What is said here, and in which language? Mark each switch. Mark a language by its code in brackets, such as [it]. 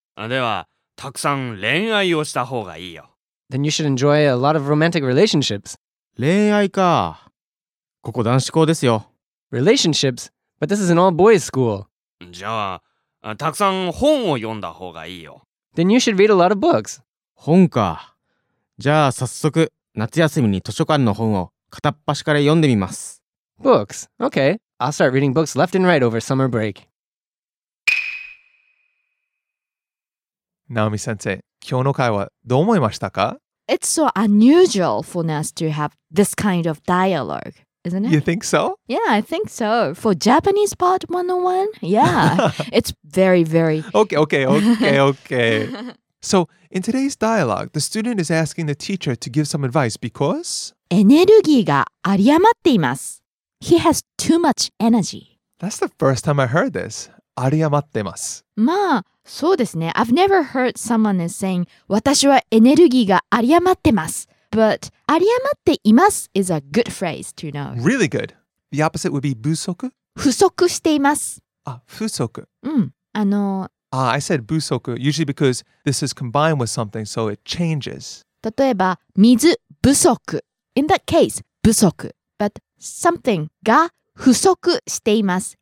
[ja] では、たくさん恋愛をした方がいいよ。 [en] Then you should enjoy a lot of romantic relationships. [ja] 恋愛か。ここ男子校ですよ。 [en] Relationships? But this is an all-boys school. [ja] じゃあ、たくさん本を読んだ方がいいよ。 [en] Then you should read a lot of books. [ja] 本か。じゃあ、早速、夏休みに図書館の本を片っ端から読んでみます。 [en] Books? Okay. I'll start reading books left and right over summer break. [ja] Naomi sensei, 今日の会話どう思いましたか? [en] It's so unusual for us to have this kind of dialogue, isn't it? You think so? Yeah, I think so. For Japanese part 101, yeah, it's very, very... Okay. So, in today's dialogue, the student is asking the teacher to give some advice because... [ja] エネルギーが有り余っています。 [en] He has too much energy. That's the first time I heard this. [ja] 有り余ってます。まあ、そうですね。 [en] I've never heard someone is saying, [ja] 私はエネルギーが有り余ってます。 [en] But, [ja] 有り余っています [en] is a good phrase to know. Really good. The opposite would be 不足? [ja] 不足しています。あ、不足。うん。あの、 [en] ah, I said 不足 usually because this is combined with something, so it changes. [ja] 例えば、水不足。 [en] In that case, 不足。 But, something [ja] が不足しています。